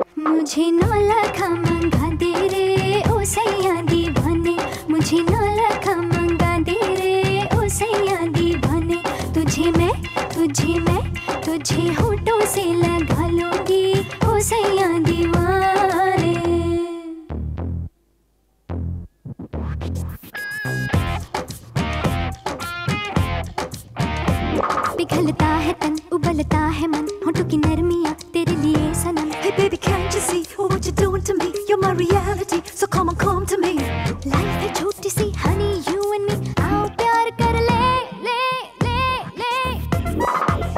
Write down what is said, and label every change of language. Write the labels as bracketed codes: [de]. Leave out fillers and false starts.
[hi] मुझे न लखा मंगा दे रे ओ सैया दीवाने, मुझे न लखा मंगा दे रे ओ सैया दीवाने, तुझे मैं तुझे मैं तुझे होठों से लगा लूंगी ओ सैया दीवाने। पिघलता है तन उबलता है मन, होठों की नरमियां तेरे लिए सनम, [en] hey baby can't you see what you're doing to me, you're my reality so come on come to me, [hi] life है छोटी सी [en] honey you and me, [hi] आओ प्यार कर ले ले ले ले।